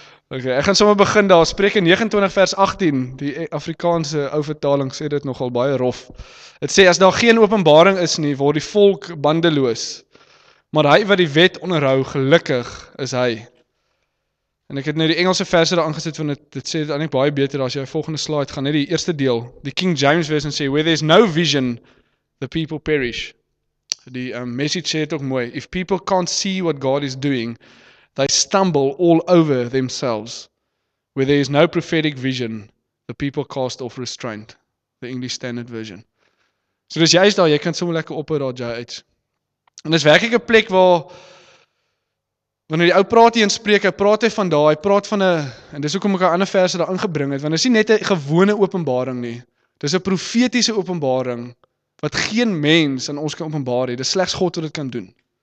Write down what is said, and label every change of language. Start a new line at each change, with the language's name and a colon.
Afrikaans: Okay, ek gaan sommer begin daar. Spreuke 29 vers 18. Die Afrikaanse ou vertaling sê dit nogal baie rof. Dit sê as daar geen openbaring is nie, word die volk bandeloos. Maar hy wat die wet onderhou, gelukkig is hy. En ek het nou die Engelse verse daar aangesit van dit sê dit eintlik baie beter as jy volgende slide gaan net die eerste deel. Die King James version sê
English: where there's no vision the people perish.
Afrikaans: Die message sê dit ook mooi.
English: If people can't see what God is doing, they stumble all over themselves. Where there is no prophetic vision, the people cast off restraint. The English Standard Version.
Afrikaans: So dis juist daar, jy kan sommer lekker op daar jy uit. En dis werklik 'n plek waar wanneer die ou praat hier in Spreuke, praat hy van daai, hy praat van 'n en dis hoekom ek 'n ander verse daar ingebring het, want dis nie net 'n gewone openbaring nie. Dis 'n profetiese openbaring wat geen mens aan ons kan openbaar nie. Dis slegs God wat dit kan doen.